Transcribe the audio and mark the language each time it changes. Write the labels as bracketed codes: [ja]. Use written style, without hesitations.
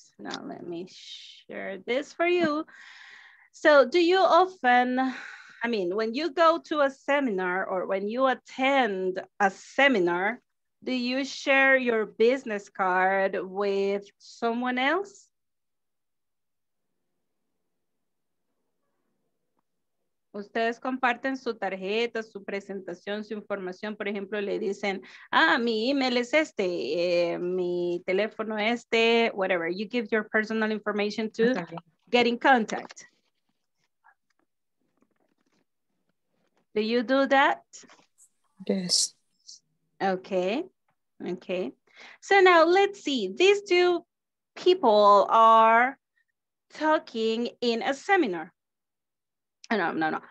[en] Now, let me share this for you. So, do you often... I mean, when you go to a seminar or when you attend a seminar, do you share your business card with someone else? [es] ¿Ustedes comparten su tarjeta, su presentación, su información? Por ejemplo, le dicen, ah, mi email es este, mi teléfono este, whatever. [en] You give your personal information to get in contact. Do you do that? Yes. Okay. Okay. So now let's see. These two people are talking in a seminar. No.